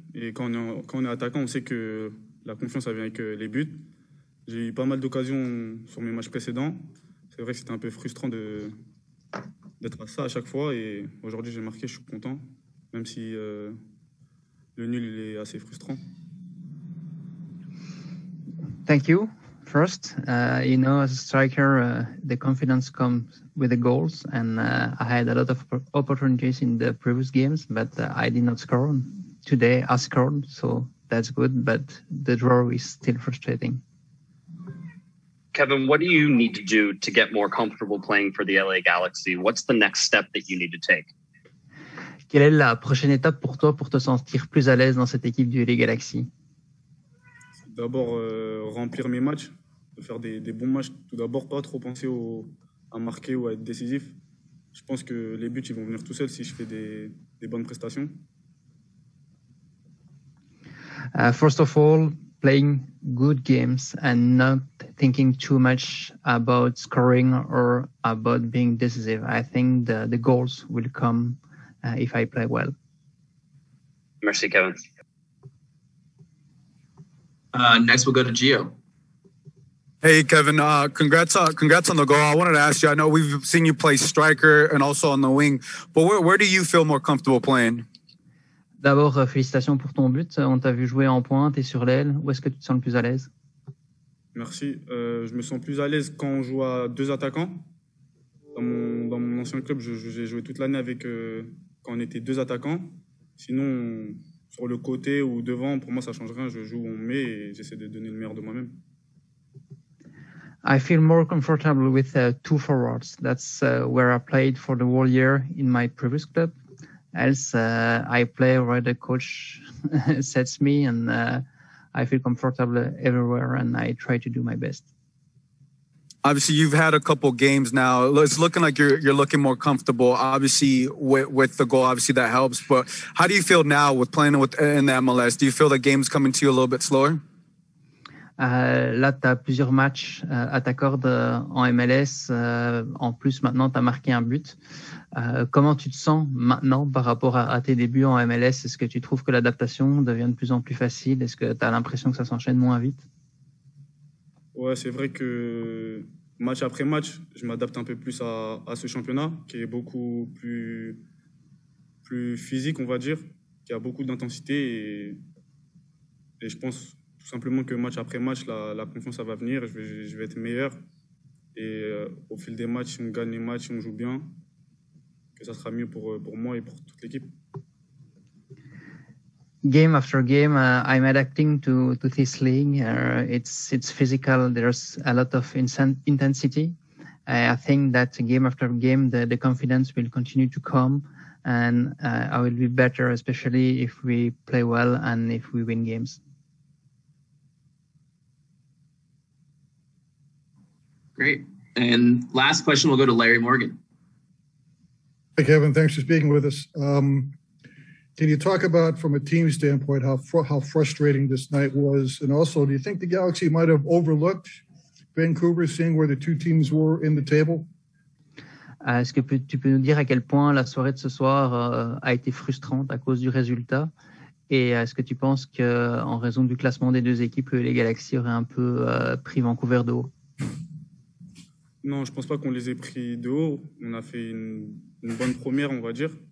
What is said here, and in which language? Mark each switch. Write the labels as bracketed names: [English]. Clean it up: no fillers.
[French] Et quand on est attaquant, on sait que la confiance, ça vient avec les buts. J'ai eu pas mal d'occasions sur mes matchs précédents. C'est vrai que c'était un peu frustrant d'être à ça à chaque fois. Et aujourd'hui, j'ai marqué, je suis content, même si le nul, il est assez frustrant. [English] Thank you. First, you know, as a striker, the confidence comes with the goals, and I had a lot of opportunities in the previous games, but I did not score. Today, I scored, so that's good, but the draw is still frustrating. Kevin, what do you need to do to get more comfortable playing for the LA Galaxy? What's the next step that you need to take? [French] Quelle est la prochaine étape pour toi pour te sentir plus à l'aise dans cette équipe du LA Galaxy? D'abord, remplir mes matchs, faire des bons matchs. Tout d'abord, pas trop penser à marquer ou à être décisif. Je pense que les buts, ils vont venir tout seuls si je fais des bonnes prestations. [English] First of all, playing good games and not thinking too much about scoring or about being decisive. I think the goals will come if I play well. [French] Merci, Kevin. [English] Next, we'll go to Gio. Hey, Kevin. Congrats on the goal. I wanted to ask you, I know we've seen you play striker and also on the wing, but where do you feel more comfortable playing? [French] D'abord, félicitations pour ton but. On t'a vu jouer en pointe et sur l'aile. Où est-ce que tu te sens le plus à l'aise? Merci. Je me sens plus à l'aise quand on joue à deux attaquants. Dans mon ancien club, j'ai joué toute l'année avec quand on était deux attaquants. Sinon, sur le côté ou devant, pour moi, ça ne change rien. Je joue où on met et j'essaie de donner le meilleur de moi-même. [English] I feel more comfortable with two forwards. That's where I played for the whole year in my previous club. Else, I play where the coach sets me, and I feel comfortable everywhere, and I try to do my best. Obviously, you've had a couple games now. It's looking like you're looking more comfortable, obviously, with the goal. Obviously, that helps. But how do you feel now with playing in the MLS? Do you feel the game's coming to you a little bit slower? [French] Là, tu as plusieurs matchs à ta corde en MLS. En plus, maintenant, tu as marqué un but. Comment tu te sens maintenant par rapport à tes débuts en MLS? Est-ce que tu trouves que l'adaptation devient de plus en plus facile? Est-ce que tu as l'impression que ça s'enchaîne moins vite? Ouais, c'est vrai que match après match, je m'adapte un peu plus à ce championnat qui est beaucoup plus physique, on va dire, qui a beaucoup d'intensité et je pense simplement que match après match, la confiance, ça va venir. Je vais être meilleur. Et au fil des matchs, si on gagne les matchs, si on joue bien, que ça sera mieux pour moi et pour toute l'équipe. [English] Game after game, I'm adapting to this league. It's physical. There's a lot of intensity. I think that game after game, the confidence will continue to come. And I will be better, especially if we play well and if we win games. Great. And last question, we'll go to Larry Morgan. Hey, Kevin, thanks for speaking with us. Can you talk about, from a team standpoint, how frustrating this night was? And also, do you think the Galaxy might have overlooked Vancouver, seeing where the two teams were in the table? [French] Est-ce que tu peux nous dire à quel point la soirée de ce soir a été frustrante à cause du résultat? Et est-ce que tu penses qu'en raison du classement des deux équipes, les Galaxy auraient un peu pris Vancouver de haut? Non, je ne pense pas qu'on les ait pris de haut. On a fait une bonne première, on va dire.